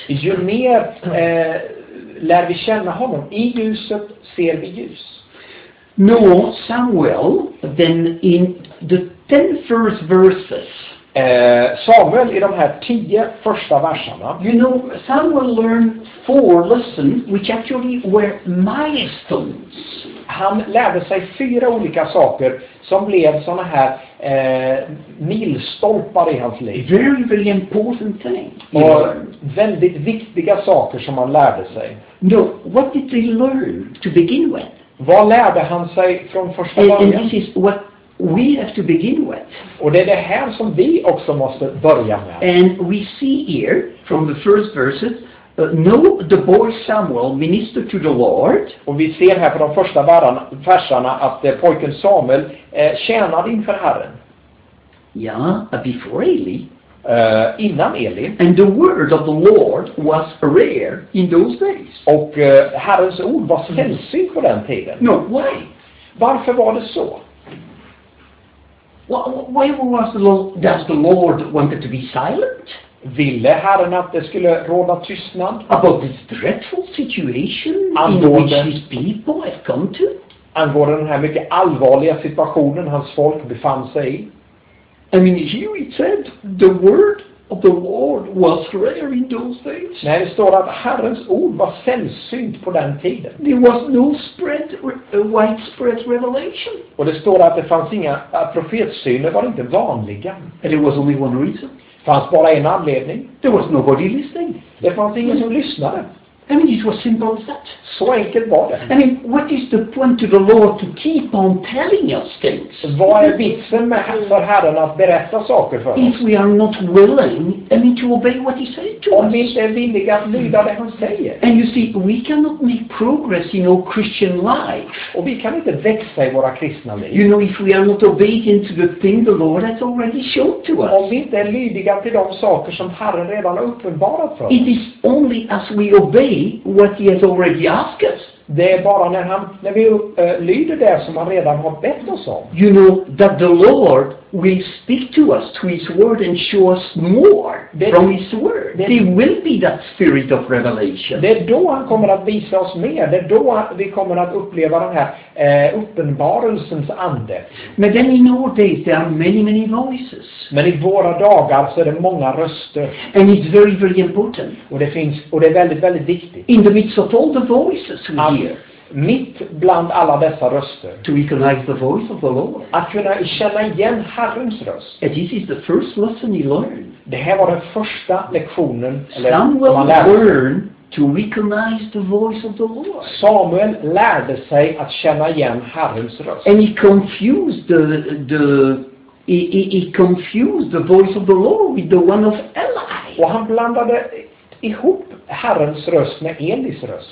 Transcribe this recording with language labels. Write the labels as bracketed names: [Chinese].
[Swedish] Ju mer lär vi känna honom, i ljuset ser vi ljus. [English] No, Samuel, then in the 10 first verses. [Swedish] Samuel i de här 10 första verserna. [English] You know, Samuel learned 4 lessons, which actually were milestones. [Swedish] Han lärde sig 4 olika saker som blev såna här milstolpar i hans liv. [English] Very, very important thing. [Swedish] Och väldigt viktiga saker som han lärde sig. [English] No, what did he learn to begin with? [Swedish] Vad lärde han sig från första början? [English] And this is what we have to begin with. [Swedish] Och det är det här som vi också måste börja med. [English] And we see here from the first verses, no, the boy Samuel ministered to the Lord. [Swedish] Och vi ser här på de första verserna att pojken Samuel tjänade inför Herren. [English] Ja, yeah, before Eli. [Swedish] Innan Eli. [English] And the word of the Lord was rare in those days. [Swedish] Och Herrens ord var sällsynt på den tiden. [English] No, why? [Swedish] Varför var det så? [English] Why was the Lord, does the Lord wanted to be silent? [Swedish] Ville Herren att det skulle råda tystnad? [English] About this dreadful situation angående, in which his people have come to? [Swedish] Angående den här mycket allvarliga situationen hans folk befann sig i. [English] I mean, here it said the word of the Lord was rare in those days. [Swedish] Nej, det står att Herrens ord var sällsynt på den tiden. [English] There was no spread, widespread revelation. [Swedish] Och det står att det fanns inga profetsyner, var inte vanliga. [English] And there was only one reason. [Swedish] Fanns bara en anledning. [English] There was nobody listening. [Swedish] Det fanns ingen som lyssnade. [English] I mean, it was simple as that. [Swedish] Så enkelt var det. [English] I mean, what is the point to the Lord to keep on telling us things? [Swedish] Vad är vitsen med för Herren att berätta saker för oss? [English] If we are not willing, I mean, to obey what he said to [Swedish] us. Om vi inte är villiga att lyda det han säger. [English] And you see, we cannot make progress in our Christian life. [Swedish] Och vi kan inte växa i våra kristna liv. [English] You know, if we are not obedient to the thing the Lord has already shown to us. [Swedish] Om vi inte är lydiga till de saker som Herren redan har uppenbarat för oss. [English] It is only as we obey what he has already asked us. [Swedish] Det är bara när vi lyder det som han redan har bett oss om. [English] You know that the Lord will speak to us, to His Word, and show us more from His Word. Det will be that spirit of revelation. [Swedish] Det är då han kommer att visa oss mer. Det är då vi kommer att uppleva den här uppenbarelsens ande. [English] But then in our days there are many, many voices. [Swedish] Men i våra dagar så är det många röster. [English] And it's very, very important. [Swedish] Och det finns, och det är väldigt, väldigt viktigt. [English] In the midst of all the voices we hear. [Swedish] Mitt bland alla dessa röster. [English] To recognize the voice of the Lord. [Swedish] Att kunna känna igen Herrens röst. [English] And this is the first lesson he learned. [Swedish] Det här var den första lektionen. [English] Samuel learned to recognize the voice of the Lord. [Swedish] Samuel lärde sig att känna igen Herrens röst. [English] And he confused the voice of the Lord with the one of Eli. [Swedish] Och han blandade ihop Herrens röst med Elis röst.